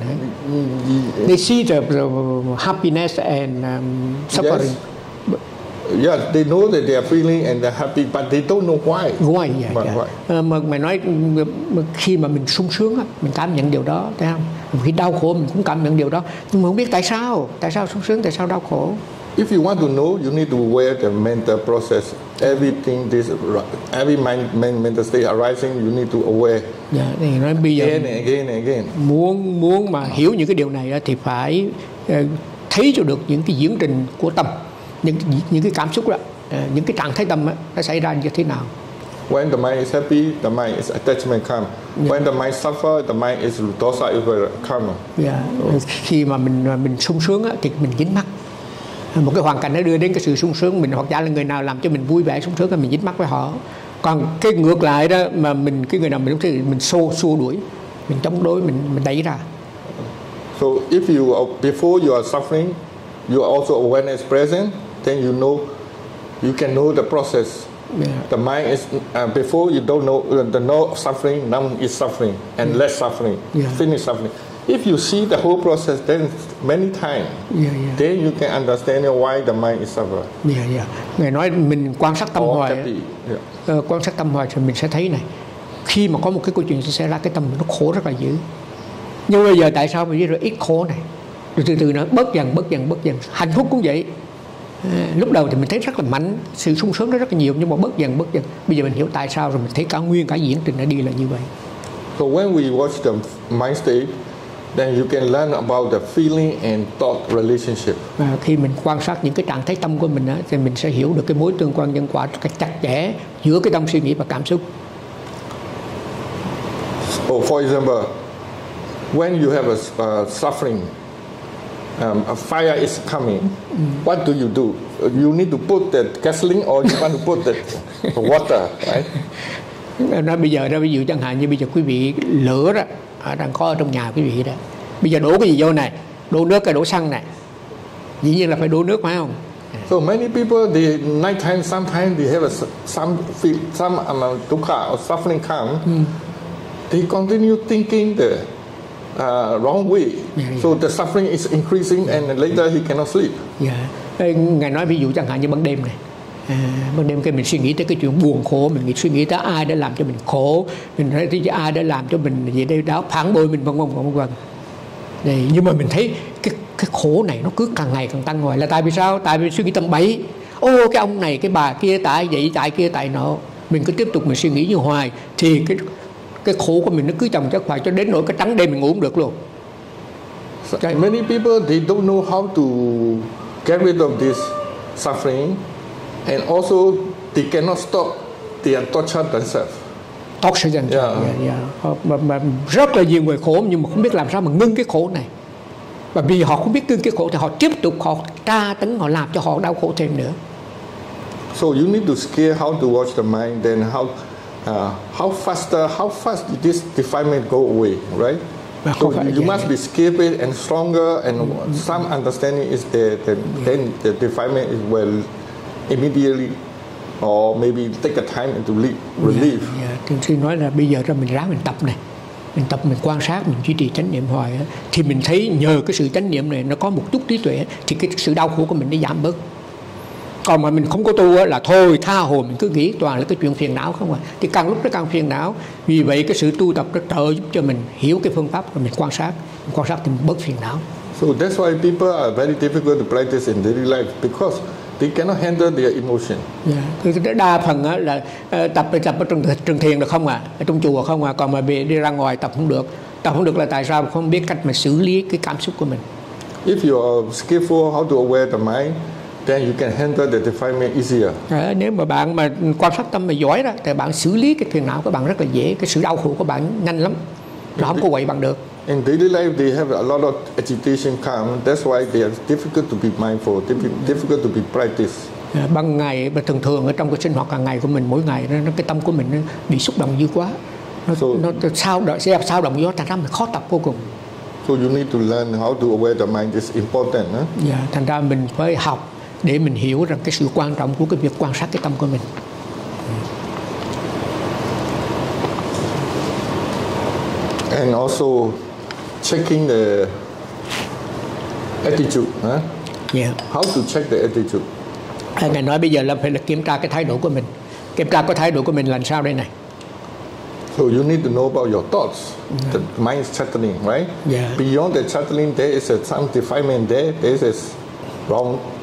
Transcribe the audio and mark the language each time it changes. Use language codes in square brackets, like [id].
[en] Eh? They see the happiness and suffering. Yes. Yeah, they know that they are feeling and they're happy, but they don't know why. Why? [vi] Yeah, mà nói khi mà mình sung sướng, mình cảm nhận điều đó, thấy không? Khi đau khổ, mình cũng cảm nhận điều đó, nhưng mà không biết tại sao sung sướng, tại sao đau khổ. [en] If you want to know, you need to wear the mental process. Everything this, every mind mental state arising, you need to aware. [vi] Yeah, thì nói bây giờ [en] again. [vi] Muốn mà hiểu những cái điều này thì phải thấy cho được những cái diễn trình của tâm, những cái cảm xúc đó, những cái trạng thái tâm đó, nó xảy ra như thế nào. [en] When the mind is happy, the mind is attachment come. Yeah. When the mind suffer, the mind is dosa is come. Yeah. [vi] So, khi mà mình sung sướng thì mình dính mắc. Một cái hoàn cảnh nó đưa đến cái sự sung sướng mình, hoặc giả là người nào làm cho mình vui vẻ sung sướng thì mình dính mắc với họ. Còn cái ngược lại đó, mà mình cái người nào mình lúc thì mình xua đuổi, mình chống đối, mình đẩy ra. [en] So if you before you are suffering, you are also awareness present, then you know, you can know the process. Yeah. The mind is before you don't know the no suffering, numb is suffering and less suffering, finish suffering. If you see the whole process, then many times, then you can understand why the mind is suffering. Yeah, yeah. [vi] Ngài nói mình quan sát tâm hoài, [en] yeah. [vi] Quan sát tâm hoài thì mình sẽ thấy này, khi mà có một cái câu chuyện sẽ xảy ra, cái tâm nó khổ rất là dữ. Nhưng bây giờ tại sao mình biết rồi ít khổ này, rồi từ từ nó bớt dần. Hạnh phúc cũng vậy. Lúc đầu thì mình thấy rất là mạnh, sự sung sướng nó rất là nhiều, nhưng mà bớt dần. Bây giờ mình hiểu tại sao rồi, mình thấy cả nguyên cả diễn trình nó đi là như vậy. [en] So when we watch the mind state, then you can learn about the feeling and thought relationship. [vi] Và khi mình quan sát những cái trạng thái tâm của mình á, thì mình sẽ hiểu được cái mối tương quan nhân quả cách chặt chẽ giữa cái tâm suy nghĩ và cảm xúc. [en] Oh, for example, when you have a suffering, a fire is coming. What do you do? You need to put that gasoline or you want to put that water, right? [vi] Nói bây giờ đó, ví dụ chẳng hạn như bây giờ quý vị lửa đó đang có ở trong nhà quý vị đó. Bây giờ đổ cái gì vô này? Đổ nước hay đổ xăng này? Dĩ nhiên là phải đổ nước phải không? [en] So many people, the night time, sometimes they have some amount of dukkha or suffering come. They continue thinking the wrong way. So the suffering is increasing and later he cannot sleep. [vi] Ngài nói ví dụ chẳng hạn như ban đêm này. Ban đêm khi mình suy nghĩ tới cái chuyện buồn khổ, mình suy nghĩ tới ai đã làm cho mình khổ, mình thấy tới ai đã làm cho mình gì đây đó, phản bội mình vân vân vân vân. Nhưng mà mình thấy cái khổ này nó cứ càng ngày càng tăng ngoài là tại vì sao? Tại vì suy nghĩ tầm bậy. Ô cái ông này, cái bà kia tại vậy, tại kia tại nọ. Mình cứ tiếp tục mình suy nghĩ như hoài thì cái khổ của mình nó cứ chồng chất hoài cho đến nỗi cái trắng đêm mình ngủ không được luôn. [en] So, okay. Many people they don't know how to get rid of this suffering and also they cannot stop their torture themselves. Torture themselves. [vi] Mà rất là nhiều người khổ nhưng mà không biết làm sao mà ngưng cái khổ này. Và vì họ không biết ngưng cái khổ thì họ tiếp tục họ tra tấn, họ làm cho họ đau khổ thêm nữa. [en] So you need to scale how to watch the mind, then how fast this defilement go away, right? So you must be skilled and stronger, and some understanding is there. Then the defilement will immediately, or maybe take a time and to relief. [vi] Thường xuyên nói là bây giờ ra mình ráng mình tập này, mình tập mình quan sát, mình duy trì chánh niệm hoài á, thì mình thấy nhờ cái sự chánh niệm này nó có một chút trí tuệ thì cái sự đau khổ của mình nó giảm bớt. Còn mà mình không có tu là thôi tha hồ, mình cứ nghĩ toàn là cái chuyện phiền não không à. Thì càng lúc nó càng phiền não. Vì vậy cái sự tu tập nó trợ giúp cho mình hiểu cái phương pháp và mình quan sát. Quan sát thì mình bớt phiền não. [en] So that's why people are very difficult to practice in daily life because they cannot handle their emotion. [vi] Đa phần là tập ở trường thiền được không à, ở trong chùa không à. Còn mà đi ra ngoài tập không được. Tập không được là tại sao? Không biết cách mà xử lý cái cảm xúc của mình. [en] If you are skillful how to aware the mind, then you can handle the defilement easier. [vi] Nếu mà bạn mà quan sát tâm mà giỏi đó, thì bạn xử lý cái phiền não của bạn rất là dễ, cái sự đau khổ của bạn nhanh lắm, nó không có quậy bạn được. [en] In daily life, they have a lot of agitation come. That's why they are difficult to be mindful, difficult to be practice. [vi] Ban ngày và thường thường ở trong cái sinh hoạt hàng ngày của mình mỗi ngày, nó cái tâm của mình nó bị xúc động dữ quá, nó sao động, sẽ sao động dữ, thành ra mình khó tập vô cùng. [en] So you need to learn how to aware the mind is important. [vi] Thành ra mình phải học để mình hiểu rằng cái sự quan trọng của cái việc quan sát cái tâm của mình. [en] And also checking the attitude. How to check the attitude? Ngài nói bây giờ là phải là kiểm tra cái thái độ của mình. Kiểm tra cái thái độ của mình làm sao đây này? So you need to know about your thoughts. The mind is chattering, right? Beyond the chattering, there is some defilement there. This is wrong.